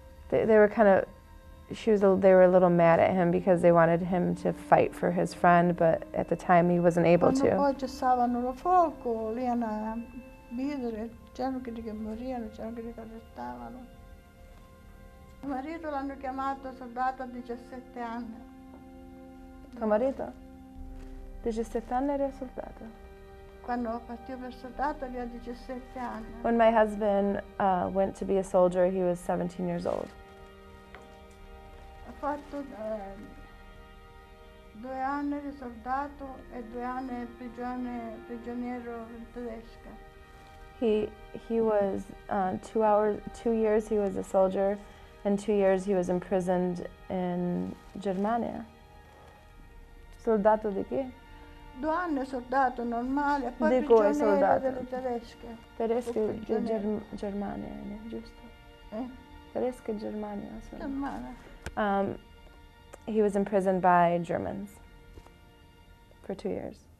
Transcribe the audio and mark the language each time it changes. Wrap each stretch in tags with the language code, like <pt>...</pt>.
<en>They were kind of they were a little mad at him because they wanted him to fight for his friend, but at the time he wasn't able to.</en> <it>Quando poi cessavano lo fuoco, lì erano vidre, c'erano quelli che morivano, c'erano quelli che arrestavano. Mio marito l'hanno chiamato soldato a 17 anni. Tuo marito? 17 anni era soldato. Quando partiva per soldato aveva 17 anni.</it> <en>When my husband went to be a soldier, he was 17 years old.</en> <it>Ha fatto due anni di soldato e due anni prigioniero tedesco.</it> <en>He was two years he was a soldier, and 2 years he was imprisoned in Germania.</en> <it>Soldato di chi? Due anni soldato normale, poi di prigioniero soldato. Delle tedesche. Tedesche di Germania, giusto? Tedesche di Germania. Germania.</it> <en>He was imprisoned by Germans for 2 years.</en>